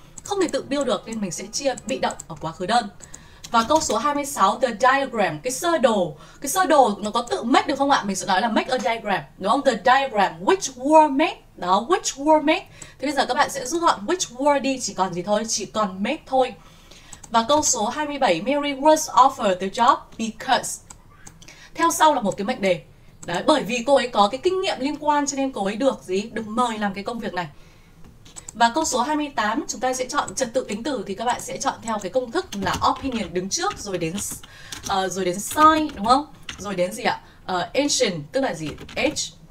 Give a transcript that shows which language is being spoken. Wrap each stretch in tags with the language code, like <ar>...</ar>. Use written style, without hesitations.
<vi>Không thể tự build được nên mình sẽ chia bị động ở quá khứ đơn. Và câu số 26,</vi> <en>the diagram,</en> <vi>cái sơ đồ. Cái sơ đồ nó có tự make được không ạ? Mình sẽ nói là</vi> <en>make a diagram,</en> <vi>đúng không?</vi> <en>The diagram, which were made.</en> <vi>Đó,</vi> <en>which were made.</en> <vi>Thế bây giờ các bạn sẽ rút gọn which were đi, chỉ còn gì thôi, chỉ còn make thôi. Và câu số 27,</vi> <en>Mary was offered the job because.</en> <vi>Theo sau là một cái mệnh đề. Đấy, bởi vì cô ấy có cái kinh nghiệm liên quan cho nên cô ấy được gì? Được mời làm cái công việc này. Và câu số 28, chúng ta sẽ chọn trật tự tính từ thì các bạn sẽ chọn theo cái công thức là opinion đứng trước rồi đến sign đúng không? Rồi đến gì ạ? Ancient tức là gì? Age.</vi>